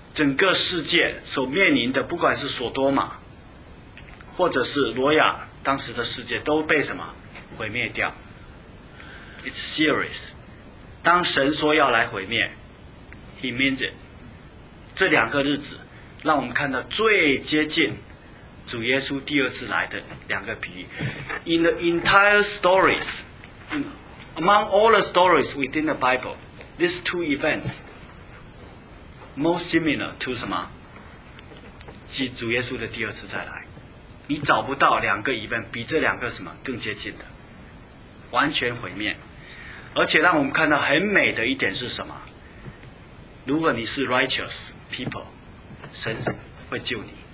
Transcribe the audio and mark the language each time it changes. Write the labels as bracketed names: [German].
[Chinese] 整个世界所面临的，不管是索多玛或者是挪亚当时的世界，都被什么毁灭掉。 [English] It's serious。 [Chinese] 当神说要来毁灭， [English] He means it。 [Chinese] 这两个日子让我们看到最接近主耶稣第二次来的两个比喻。 [English] In the entire stories among all the stories within the Bible, these two eventsMost similar to [Chinese] 什么？即主耶稣的第二次再来，你找不到两个 event 比这两个什么更接近的，完全毁灭。而且让我们看到很美的一点是什么？如果你是 [English] righteous people， [Chinese] 神会救你。